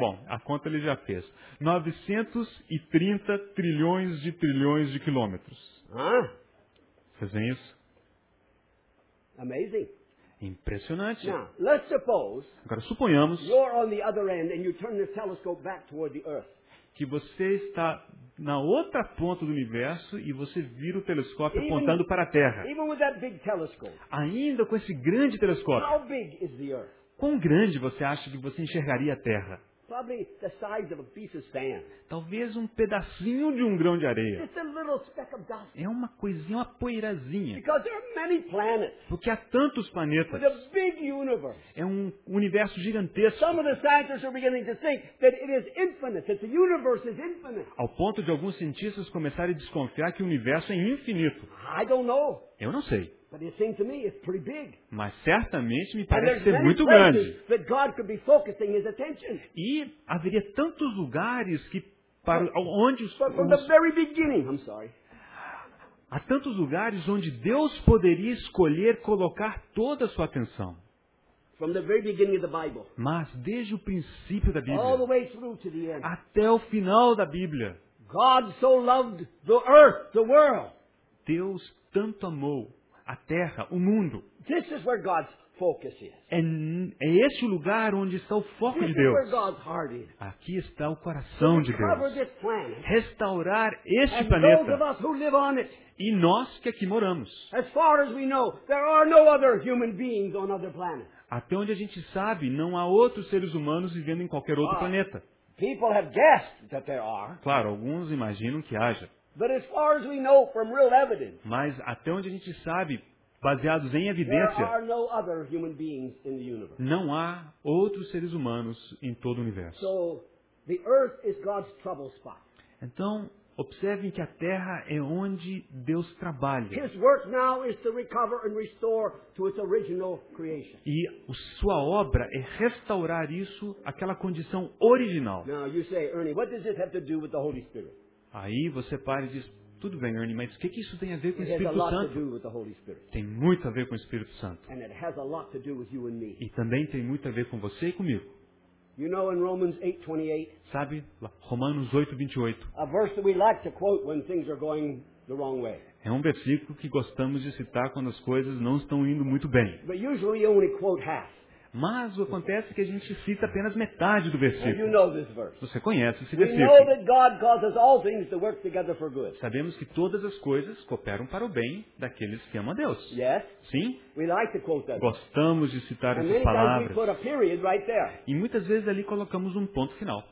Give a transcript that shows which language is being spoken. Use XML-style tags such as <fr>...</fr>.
<pt>Bom, a conta ele já fez. 930 trilhões de quilômetros. Vocês veem isso?</pt> <en>Amazing.</en> <pt>Impressionante.</pt> <en>Now, let's suppose,</en> <pt>agora suponhamos</pt> <en>you're on the other end and you turn the telescope back toward the Earth.</en> <pt>Que você está na outra ponta do universo e você vira o telescópio apontando para a Terra. Ainda com esse grande telescópio,</pt> <en>how big is the Earth?</en> <pt>Quão grande você acha que você enxergaria a Terra?</pt> <en>Probably the size of a piece of sand.</en> <pt>Talvez um pedacinho de um grão de areia.</pt> <en>It's a little speck of dust.</en> <pt>É uma coisinha, uma poeirazinha.</pt> <en>Because there are many planets.</en> <pt>Porque há tantos planetas.</pt> <en>With a big universe.</en> <pt>É um universo gigantesco.</pt> <en>Some of the scientists are beginning to think that it is infinite, that the universe is infinite.</en> <pt>Ao ponto de alguns cientistas começarem a desconfiar que o universo é infinito.</pt> <en>I don't know.</en> <pt>Eu não sei.</pt> <en>But it seems to me it's pretty big.</en> <pt>Mas certamente me parece ser muito grande.</pt> <en>That God could be focusing his attention.</en> <pt>E haveria tantos lugares que para onde os há tantos lugares onde Deus poderia escolher colocar toda a sua atenção.</pt> <en>From the very beginning of the Bible.</en> <pt>Mas desde o princípio da Bíblia.</pt> <en>All the way through to the end.</en> <pt>Até o final da Bíblia.</pt> <en>God so loved the earth, the world.</en> <pt>Deus tanto amou a Terra, o mundo.</pt> <en>This is where God's focus is.</en> <pt>É esse o lugar onde está o foco</pt> <en>this</en> <pt>de Deus.</pt> <en>Is where God's heart is.</en> <pt>Aqui está o coração</pt> <en>to</en> <pt>de Deus.</pt> <en>This planet,</en> <pt>restaurar este</pt> <en>and</en> <pt>planeta.</pt> <en>Those of us who live on it.</en> <pt>E nós que aqui moramos.</pt> <en>As far as we know, there are no other human beings on other planets.</en> <pt>Até onde a gente sabe, não há outros seres humanos vivendo em qualquer outro planeta.</pt> <en>People have guessed that there are.</en> <pt>Claro, alguns imaginam que haja.</pt> <en>But as far as we know from real evidence,</en> <pt>mas até onde a gente sabe, baseados em evidência,</pt> <en>there are no other human beings in the universe.</en> <pt>Não há outros seres humanos em todo o universo.</pt> <en>So, the earth is God's trouble spot.</en> <pt>Então, observem que a Terra é onde Deus trabalha.</pt> <en>His work now is to recover and restore to its original creation.</en> <pt>E sua obra é restaurar isso àquela condição original.</pt> <en>Now you say, Ernie, what does it have to do with the Holy Spirit?</en> <pt>Aí você para e diz, tudo bem, Ernie, mas o que isso tem a ver com o Espírito Santo? Tem muito a ver com o Espírito Santo. E também tem muito a ver com você e comigo.</pt> <en>You know, in Romans 8, 28,</en> <pt>sabe, Romanos 8:28. É um versículo que gostamos de citar quando as coisas não estão indo muito bem.</pt> <en>But usually you only quote half.</en> <pt>Mas acontece que a gente cita apenas metade do versículo.</pt> <en>You know this verse.</en> <pt>Você conhece esse</pt> <en>we</en> <pt>versículo.</pt> <en>Know that God causes all things to work together for good.</en> <pt>Sabemos que todas as coisas cooperam para o bem daqueles que amam a Deus.</pt> <en>Yes.</en> <pt>Sim.</pt> <en>We like to quote that.</en> <pt>Gostamos de citar</pt> <en>and</en> <pt>essas palavras.</pt> <en>We put a period right there.</en> <pt>E muitas vezes ali colocamos um ponto final.</pt>